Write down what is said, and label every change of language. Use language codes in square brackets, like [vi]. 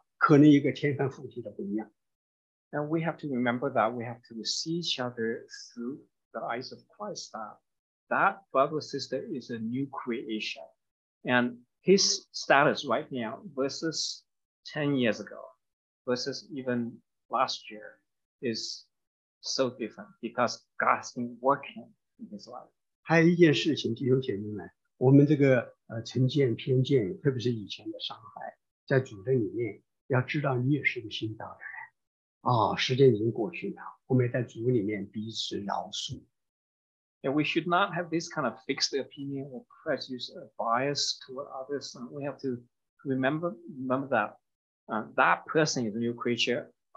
[zh] 所以在这么一个情况下的话，我们要以属灵的眼光来看，他在主里是个新造的人。十年以后的他和十年以前的他，今天的他和昨天的他，可能一个天翻覆地的不一样。 [en] And we have to remember that we have to see each other through the eyes of Christ. That brother sister is a new creation, and his status right now versus 10 years ago, versus even last year. Is so different because God's been working in his life. [zh] 还有一件事情，弟兄姐妹们，我们这个成见偏见，特别是以前的伤害，在主的里面，要知道你也是个新造的人。哦，时间已经过去了，我们在主里面彼此饶恕。 [en] Yeah, we should not have this kind of fixed opinion or prejudice or bias toward others. We have to remember that that person is a new creature.